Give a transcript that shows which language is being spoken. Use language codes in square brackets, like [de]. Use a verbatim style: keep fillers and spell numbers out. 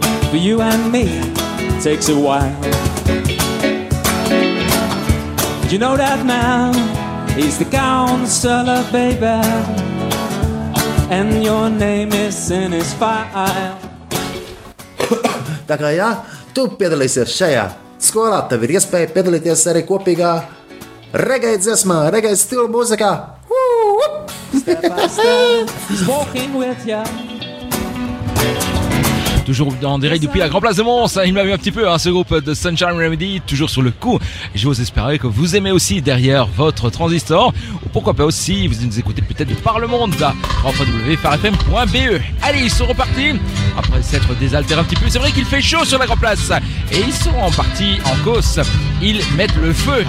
[en] For you and me, it takes a while. You know that man, he's the counselor, baby, and your name is in his file. [lv] Tā kā jā, tu piedalīsies šajā. Skolā tev ir iespēja piedalīties arī kopīgā reggae dziesmā, reggae stila mūzikā. [en] Step by step, he's walking with ya. [fr] Toujours en direct depuis la Grand Place de Mons, il m'a vu un petit peu hein, ce groupe de Sunshine Remedy, toujours sur le coup. J'ose espérer que vous aimez aussi derrière votre transistor, ou pourquoi pas aussi, vous nous écoutez peut-être de par le monde, là, w f r f m point b e. Allez, ils sont repartis, après s'être désaltérés un petit peu, c'est vrai qu'il fait chaud sur la Grand Place, et ils sont en partie en cause, ils mettent le feu.